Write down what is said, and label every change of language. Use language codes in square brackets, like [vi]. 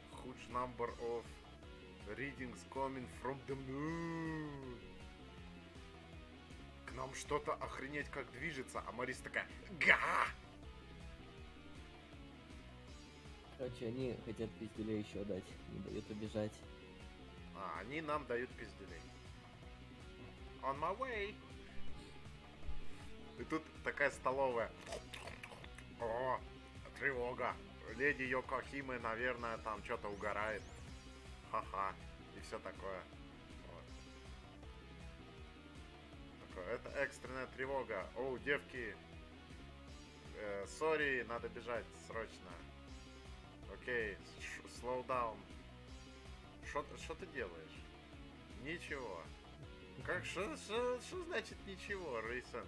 [en] Huge number of readings coming from the moon. [ru] К нам что-то охренеть как движется, а Марис такая... Га! Короче, они хотят пизделей еще дать, не дают убежать. А, они нам дают пизделей. [en] On my way! [ru] И тут такая столовая. О, тревога. Леди Йокохимы, наверное, там что-то угорает. Ха-ха. И все такое. Вот. Такое, это экстренная тревога. Оу, девки. Сори, надо бежать срочно. [en] Окей, slow down. [ru] Что ты делаешь? Ничего. Как, что значит ничего, Рейсон?